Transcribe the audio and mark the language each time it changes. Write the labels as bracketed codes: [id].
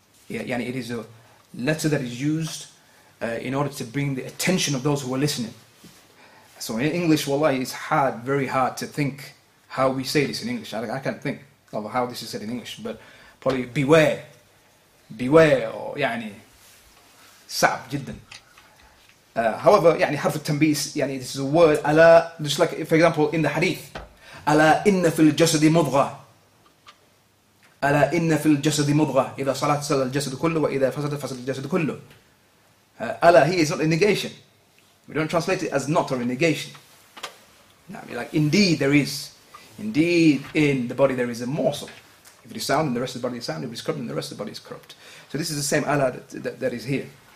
[en] Yani it is a letter that is used in order to bring the attention of those who are listening. So in English, wallahi, it's hard, very hard to think how we say this in English. I can't think of how this is said in English, but probably beware, or yani [ar] sab jiddan. However, يعني حرف التنبيه, يعني [en] this is a word, [ar] ألا, [en] just like, for example, in the hadith, [ar] ألا إن في الجسد مضغة, ألا إن في الجسد مضغة, إذا صلاة صلى الجسد كله, وإذا فسد فسد الجسد كله. [en] ألا, here is not a negation. We don't translate it as not or a negation. Like, indeed there is. Indeed in the body there is a morsel. If it is sound, then the rest of the body is sound. If it is corrupt, then the rest of the body is corrupt. So this is the same Allah that is here.